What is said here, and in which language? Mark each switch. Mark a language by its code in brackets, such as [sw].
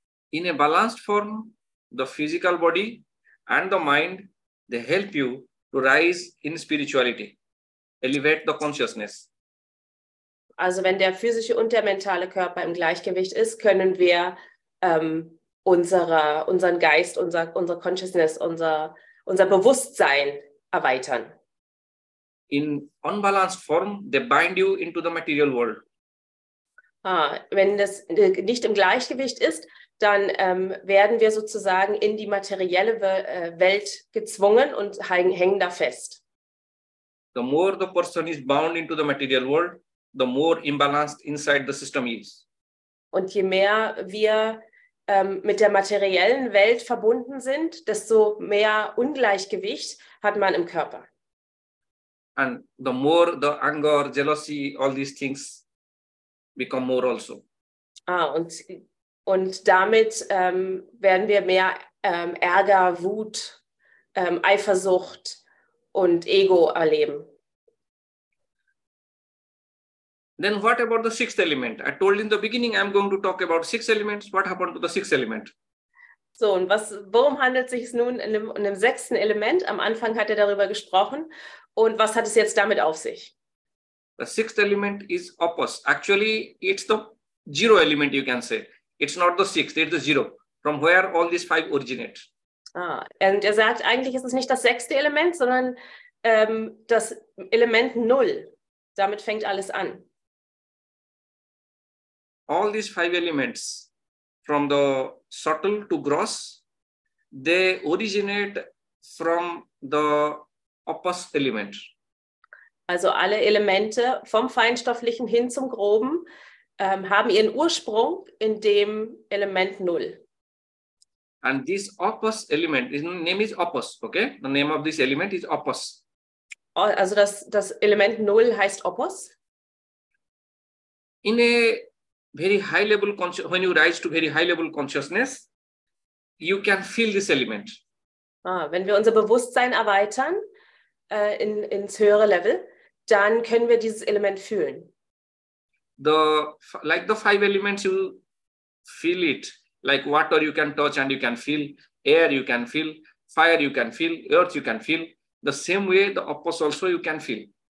[en] In a balanced form, the physical body and the mind, they help you to rise in spirituality, elevate the consciousness. [de] Also wenn der physische und der mentale Körper im Gleichgewicht ist, können wir unseren Geist, unser Consciousness, unser Bewusstsein erweitern. [en] In unbalanced form, they bind you into the material world. [de] Wenn das nicht im Gleichgewicht ist, dann werden wir sozusagen in die materielle Welt gezwungen und hängen da fest. [en] The more the person is bound into the material world, the more imbalanced inside the system is. [de] Und je mehr wir mit der materiellen Welt verbunden sind, desto mehr Ungleichgewicht hat man im Körper. [en] And the more the anger, jealousy, all these things become more also. [de] Und damit werden wir mehr Ärger, Wut, Eifersucht und Ego erleben. [en] Then what about the sixth element? I told in the beginning I'm going to talk about six elements. What happened to the sixth element? [de] So, und worum handelt es sich nun in dem sechsten Element? Am Anfang hat er darüber gesprochen. Und was hat es jetzt damit auf sich? [en] The sixth element is opus. Actually, it's the zero element, you can say. It's not the sixth, it's the zero. From where all these five originate. [de] Und er sagt, eigentlich ist es nicht das sechste Element, sondern das Element Null. Damit fängt alles an. [en] All these five elements, from the subtle to gross, they originate from the opus element. [de] Also alle Elemente vom Feinstofflichen hin zum Groben haben ihren Ursprung in dem Element Null. [en] And this opus element, his name is opus, okay? The name of this element is opus. [de] Also das Element Null heißt opus? [en] In a very high level, when you rise to very high level consciousness, you can feel this element. [de] Wenn wir unser Bewusstsein erweitern, ins höhere Level, dann können wir dieses Element fühlen. [en] Like the five elements, you feel it. Like water, you can touch and you can feel. Air, you can feel. Fire, you can feel. Earth, you can feel. The same way, the opus also, you can feel.